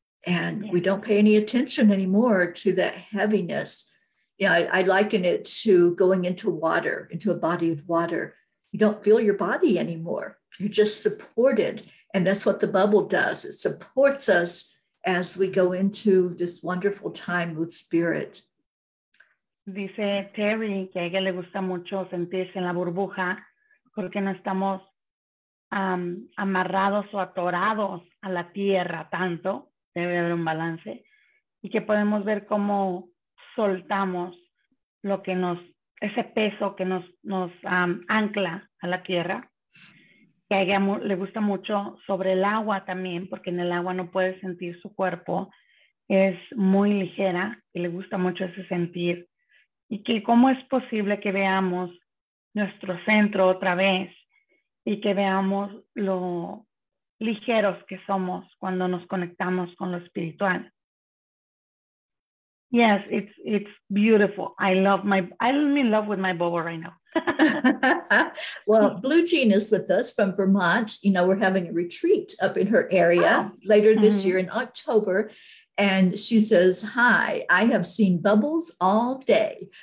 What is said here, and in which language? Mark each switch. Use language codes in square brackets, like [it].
[en] And yeah, we don't pay any attention anymore to that heaviness. Yeah, you know, I liken it to going into water, into a body of water. You don't feel your body anymore. You're just supported. And that's what the bubble does. It supports us as we go into this wonderful time with spirit. [es] Dice Terry que a ella le gusta mucho sentirse en la burbuja porque no estamos amarrados o atorados a la tierra tanto. Debe haber un balance. Y que podemos ver cómo soltamos lo que nos, ese peso que nos ancla a la tierra. Que a ella le gusta mucho sobre el agua también, porque en el agua no puede sentir su cuerpo. Es muy ligera y le gusta mucho ese sentir. Y que cómo es posible que veamos nuestro centro otra vez y que veamos lo ligeros que somos cuando nos conectamos con lo espiritual. [en] Yes, it's beautiful. I'm in love with my bubble right now. Well, Blue Jean is with us from Vermont. You know, we're having a retreat up in her area later this year in October. And she says, hi, I have seen bubbles all day.